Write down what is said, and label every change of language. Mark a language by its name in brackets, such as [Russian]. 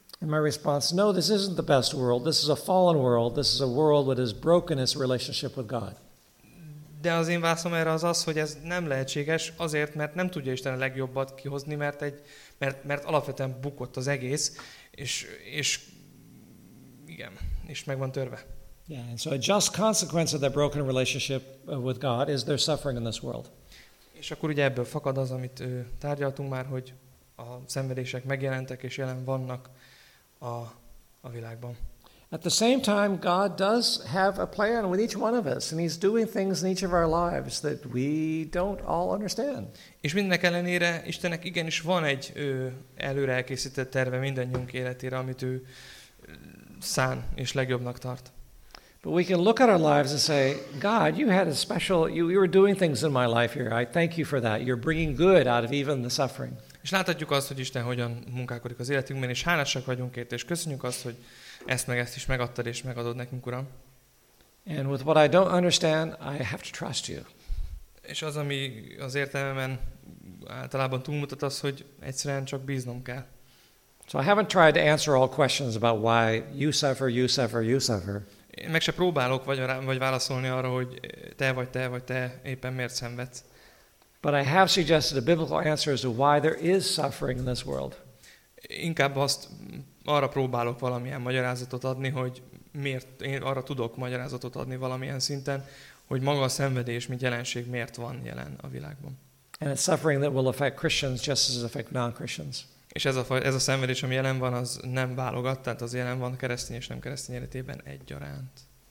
[English] And my response, no, this isn't the best world. This is a fallen world. This is a world that has broken its relationship with God. [Hungarian] De az én válaszom erre az, hogy ez nem lehetséges, azért, mert nem tudja Isten a legjobbat kihozni, mert alapvetően bukott az egész, és igen, és meg van törve. [English] Yeah, and so a just consequence of that broken relationship with God is their suffering in this world. [Hungarian] És akkor ugye ebből fakad az, amit tárgyaltunk már, hogy a szenvedések megjelentek és jelen vannak a világban. [English] At the same time, God does have a plan with each one of us, and he's doing things in each of our lives that we don't all understand. [Hungarian] És mindenek ellenére Istennek igenis van egy előre elkészített terve mindannyiunk életére, amit ő szán és legjobbnak tart. [English] But we can look at our lives and say, God, you had a special, you were doing things in my life here. I thank you for that. You're bringing good out of even the suffering. [Hungarian] És láthatjuk azt, hogy Isten hogyan munkálkodik az életünkben, és hálásak vagyunk érte, és köszönjük azt, hogy ezt meg ezt is megadtad és megadod nekünk, Uram. [English] And with what I don't understand, I have to trust you. [Hungarian] És az, ami az értelmemen általában túlmutat, az, hogy egyszerűen csak bíznom kell. [English] So I haven't tried to answer all questions about why you suffer. [Hungarian] Én meg se próbálok vagy válaszolni arra, hogy te éppen miért szenvedsz. [English] But I have suggested a biblical answer as to why there is suffering in this world. [Hungarian] Inkább azt arra próbálok valamilyen magyarázatot adni, hogy miért én arra tudok magyarázatot adni valamilyen szinten, hogy maga a szenvedés, mint jelenség miért van jelen a világban. [English] And it's suffering that will affect Christians just as it affects non-Christians. [Hungarian] És ez a szenvedés, ami jelen van, az nem válogat, tehát az jelen van keresztény és nem keresztény életében egyaránt.